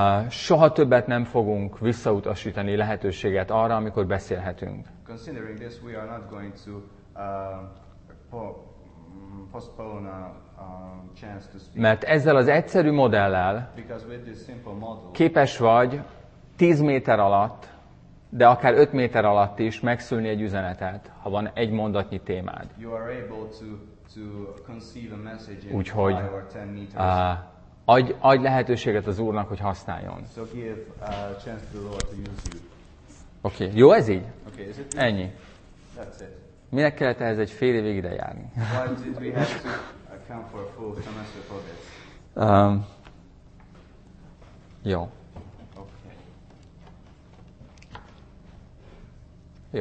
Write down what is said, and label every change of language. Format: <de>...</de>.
<hu>Soha többet nem fogunk visszautasítani lehetőséget arra, amikor beszélhetünk.</hu> <en>Considering this, we are not going to postpone a chance to speak.</en> <hu>Mert ezzel az egyszerű modellel képes vagy 10 méter alatt, de akár 5 méter alatt is megszülni egy üzenetet, ha van egy mondatnyi témád.</hu> <en>You are able to conceive a message in 5 or 10 meters.</en> <hu>Adj lehetőséget az Úrnak, hogy használjon.</hu> <en>So give a chance to the Lord to use you.</en> <hu>Okay. Jó ez így?</hu> <en>Okay, is it this?</en> <hu>Ennyi.</hu> <en>That's it.</en> <hu>Minek kellett ehhez egy fél évig ide járni?</hu> <en>Why did we have to account for a full semester for this?</en> <hu>Jó.</hu> <en>Okay.</en>